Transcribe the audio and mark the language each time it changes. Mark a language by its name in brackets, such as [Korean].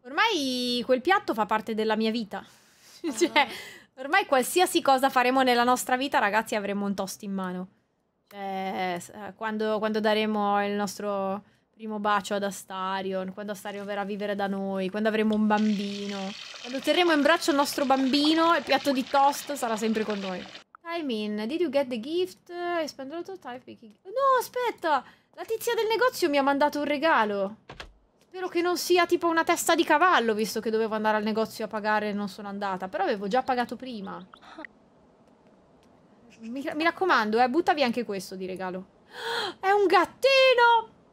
[Italian] Ormai quel piatto fa parte della mia vita. Cioè, ormai qualsiasi cosa faremo nella nostra vita, ragazzi, avremo un toast in mano. Cioè, quando daremo il nostro primo bacio ad Astarion, quando Astarion verrà a vivere da noi, quando avremo un bambino, quando terremo in braccio il nostro bambino, il piatto di toast sarà sempre con noi. [English] Timing, did you get the gift? I spent a lot of time picking. [Italian] No, aspetta! La tizia del negozio mi ha mandato un regalo. Spero che non sia tipo una testa di cavallo, visto che dovevo andare al negozio a pagare e non sono andata. Però avevo già pagato prima. Mi raccomando, butta via anche questo di regalo. È un gattino!